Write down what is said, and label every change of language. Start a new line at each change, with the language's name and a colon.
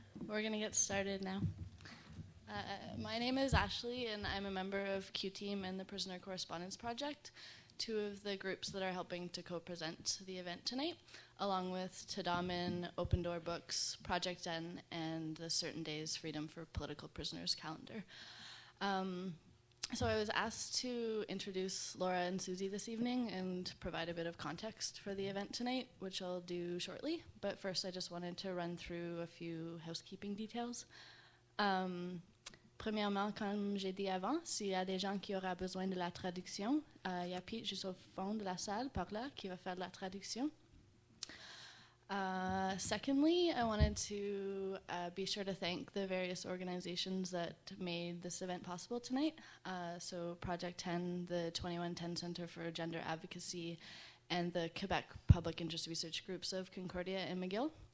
English: We're going to get started now. My name is Ashley, and I'm a member of Q-Team and the Prisoner Correspondence Project, two of the groups that are helping to co-present the event tonight, along with Tadamin, Open Door Books, Project N, and the Certain Days Freedom for Political Prisoners calendar. So I was asked to introduce Laura and Susie this evening and provide a bit of context for the event tonight, which I'll do shortly. But first, I just wanted to run through a few housekeeping details.
French: Premièrement, comme j'ai dit avant, s'il y a des gens qui auraient besoin de la traduction, il y a Pete juste au fond de la salle, par là, qui va faire de la traduction.
English: Secondly, I wanted to be sure to thank the various organizations that made this event possible tonight. So Project 10, the 2110 Center for Gender Advocacy, and the Quebec Public Interest Research Groups of Concordia and McGill.